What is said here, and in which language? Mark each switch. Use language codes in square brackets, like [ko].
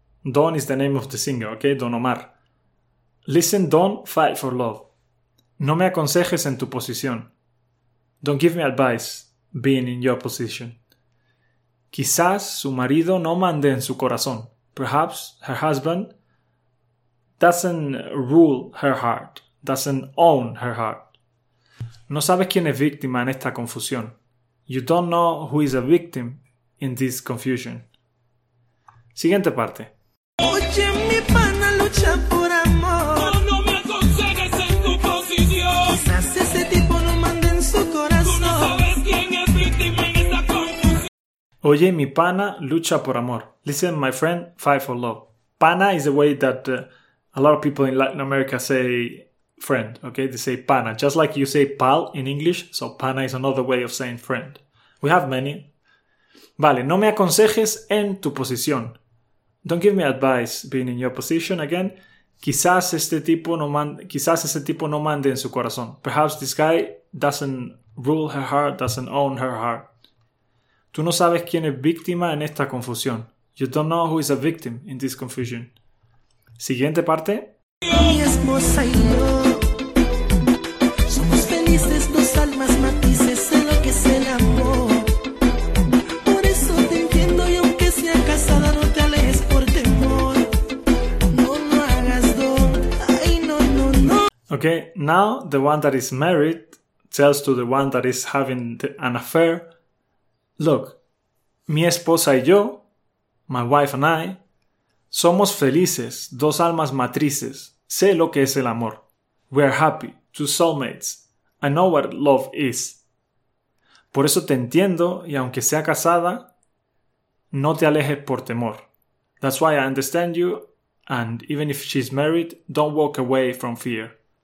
[en] Don is the name of the singer, ok? Don Omar. Listen, Don, fight for love. [es] No me aconsejes en tu posición. [en] Don't give me advice, being in your position. [es] Quizás su marido no mande en su corazón. [en] Perhaps her husband doesn't rule her heart, [es] doesn't own her heart. No sabes quién es víctima en esta confusión. [en] You don't know who is a victim in this confusion. [es] Siguiente parte. Oye, mi pana, lucha por amor. No, no me aconsejes en tu posición. Quizás ese tipo no mande en su corazón. Tú no sabes quién es víctima en esta confusión. Oye, mi pana, lucha por amor. [en] Listen, my friend, fight for love. Pana is the way that a lot of people in Latin America say friend, okay? They say pana, just like you say pal in English. So pana is another way of saying friend. We have many. [es] Vale, no me aconsejes en tu posición. [en] Don't give me advice being in your position again. [es] Quizás este tipo no mande, quizás ese tipo no mande en su corazón. [en] Perhaps this guy doesn't rule her heart, doesn't own her heart. [es] Tú no sabes quién es víctima en esta confusión. [en] You don't know who is a victim in this confusion. [es] Siguiente parte. Mi esposa y yo somos felices, dos almas matices en lo que es el amor. Por eso te entiendo y aunque sea casada no te alejes por temor. No lo hagas, no. [en] Okay, now the one that is married tells to the one that is having an affair, look, [es] mi esposa y yo, [en] my wife and I, [es] somos felices, dos almas matrices. Sé lo que es el amor. [en] We are happy, two soulmates. I know what love is. [es] Por eso te entiendo y aunque sea casada, no te alejes por temor. [en] That's why I understand you and even if she's married, don't walk away from fear.